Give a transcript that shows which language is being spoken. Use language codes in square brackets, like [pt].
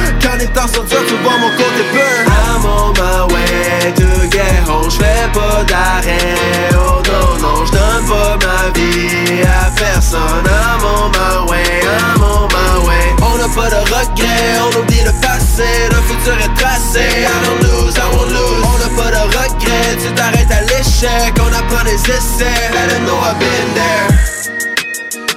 [fr] Quand les temps sont durs, tu vois mon côté burn. [en] I'm on my way to get home, [fr] j'fais pas d'arrêt. Oh non, non, j'donne pas ma vie à personne. [en] I'm on my way, I'm on my way. [fr] On a pas de regrets, on oublie le passé. Le futur est tracé, [en] I don't lose, I won't lose. [fr] On a pas de regrets, tu t'arrêtes à l'échec. On apprend les essais, [en] let them know I've been there.